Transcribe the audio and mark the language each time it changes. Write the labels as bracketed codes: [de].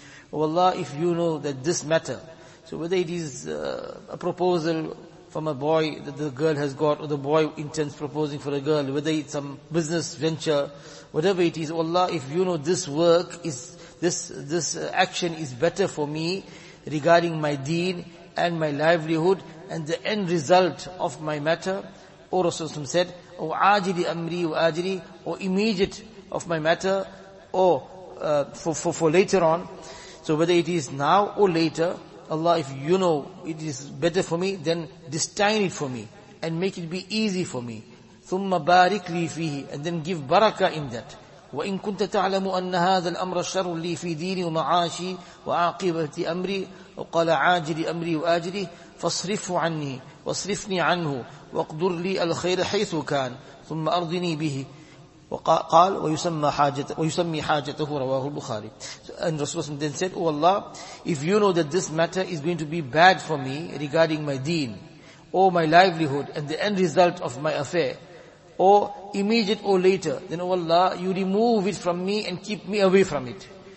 [en] Wallah, if you know that this matter, so whether it is a proposal from a boy that the girl has got, or the boy intends proposing for a girl, whether it's some business venture, whatever it is, wallah, if you know this work is, this action is better for me regarding my deen and my livelihood and the end result of my matter, or Rasulullah said, or [ar] ajili amri wa ajili, [en] or immediate of my matter, or for later on. So whether it is now or later, Allah, if you know it is better for me, then destine it for me and make it be easy for me. [ar] ثُمَّ بَارِكْ لِي فِيهِ. [en] And then give barakah in that. [ar] وإن كنت تعلم أن هذا الأمر شر لي في ديني ومعاشي وعاقبة أمري، وقال عاجل أمري وآجله، فاصرفه عني واصرفني عنه واقدر لي الخير حيث كان ثم أرضني به. وقال ويسمي حاجته رواه البخاري. [en] And Rasulullah then said, oh Allah, if you know that this matter is going to be bad for me regarding my deen or my livelihood and the end result of my affair, or immediate or later, then oh Allah, you remove it from me and keep me away from it.